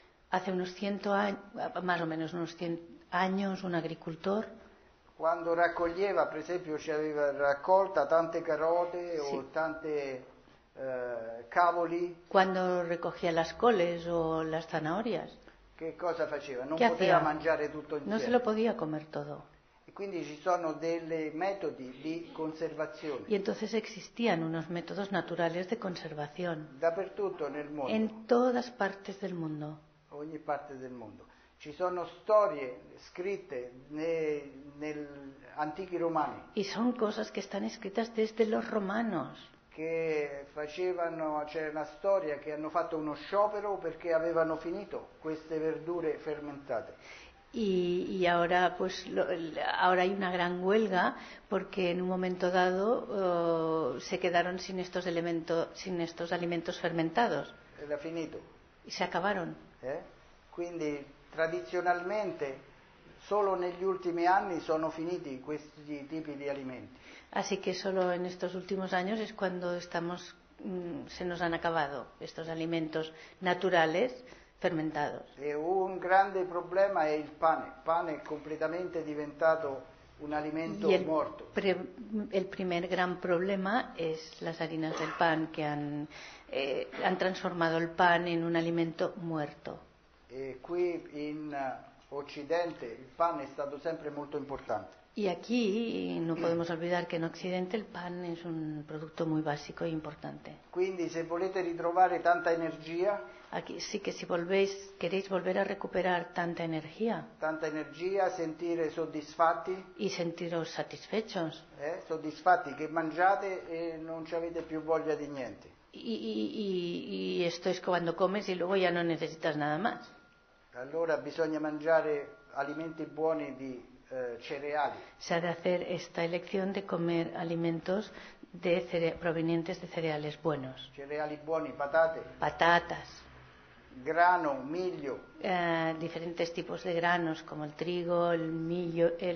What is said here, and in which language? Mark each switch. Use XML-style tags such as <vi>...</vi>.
<es>Hace unos 100 años, más o menos unos 100 años, un agricultor...</es> <it>Quando raccoglieva, per esempio, ci aveva raccolta tante carote sì. O tante cavoli.</it> <es>Quando raccoglieva le coles o le zanahorias.</es> <it>Che cosa faceva? Non poteva hacía? Mangiare tutto insieme.</it> <es>Non se lo podía comer todo.</es> <it>E quindi ci sono dei metodi di conservazione.</it> <es>Y entonces existían unos métodos naturales de conservación.</es> <it>Dappertutto nel mondo.</it> <es>En todas partes del mundo.</es> <it>Ogni parte del mondo. Ci sono storie scritte negli antichi romani.</it> <es>Y son cosas que están escritas desde los romanos.</es> <it>Che facevano, c'era una storia che hanno fatto uno sciopero perché avevano finito queste verdure fermentate.</it> <es>Y ahora pues ahora hay una gran huelga porque en un momento dado se quedaron sin estos alimentos fermentados.</es> <it>Era finito.</it> <es>Y se acabaron.</es> <it>Quindi tradizionalmente solo negli ultimi anni sono finiti questi tipi di alimenti.</it> <es>Así que solo en estos últimos años es cuando estamos se nos han acabado estos alimentos naturales fermentados.</es> <it>E un grande problema è il pane. Il pane è completamente diventato un alimento morto.</it> <es>El primer gran problema es las harinas del pan que han transformado el pan en un alimento muerto.</es> <it>E qui in Occidente il pane è stato sempre molto importante.</it> <es>Y aquí no podemos olvidar que en Occidente el pan es un producto muy básico e importante.</es> <it>Quindi se volete ritrovare tanta energia,</it> <es>aquí sí que si volvéis queréis volver a recuperar tanta energía.</es> <it>Tanta energia, sentire soddisfatti.</it> <es>Y sentiros satisfechos.</es> <it>Soddisfatti che mangiate e non ci avete più voglia di niente.</it> <es>Y esto es cuando comes y luego ya no necesitas nada más.</es> <it>Allora bisogna mangiare alimenti buoni di cereali.</it> <es>Se ha de hacer esta elección de comer alimentos de provenientes de cereales buenos.</es> <it>Cereali buoni, patate.</it> <es>Patatas.</es> <it>Grano, miglio.</it> <es>Diferentes tipos de granos como el trigo, el mijo.</es>